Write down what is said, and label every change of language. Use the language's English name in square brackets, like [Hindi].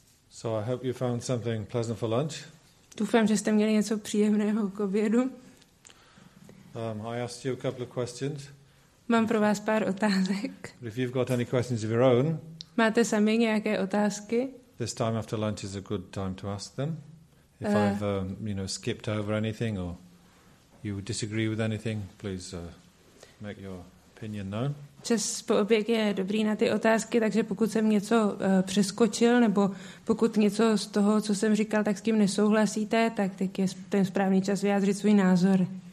[English] So I hope you found something pleasant for lunch. [Czech] Doufám, že jste měli něco příjemného k obědu. [English] I asked you a couple of questions. [Czech] Mám pro vás pár otázek. [English] But if you've got any questions of your own, [Czech] máte sami nějaké otázky? [English] This time after lunch is a good time to ask them. If I've skipped over anything or you disagree with anything, please make your opinion known. [Czech] Čas po oběd je dobrý na ty otázky, takže pokud jsem něco přeskočil nebo pokud něco z toho, co jsem říkal, tak s tím nesouhlasíte, tak teď je ten správný čas vyjádřit svůj názor.